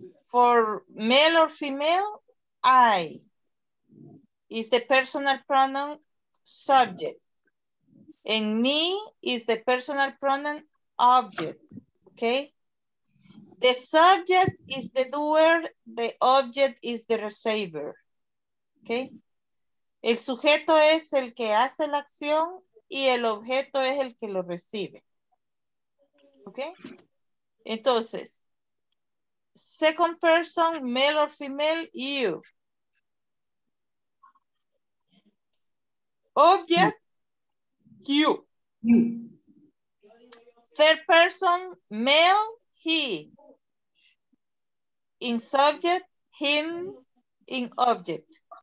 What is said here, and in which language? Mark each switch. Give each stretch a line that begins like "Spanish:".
English: For male or female, I is the personal pronoun subject. And me is the personal pronoun object. Okay, the subject is the doer, the object is the receiver.
Spanish: Okay, el sujeto es el que hace la acción y el objeto es el que lo recibe.
English: Okay, entonces, second person, male or female, you. Object, you. You. Third person, male, he. In subject, him, in object.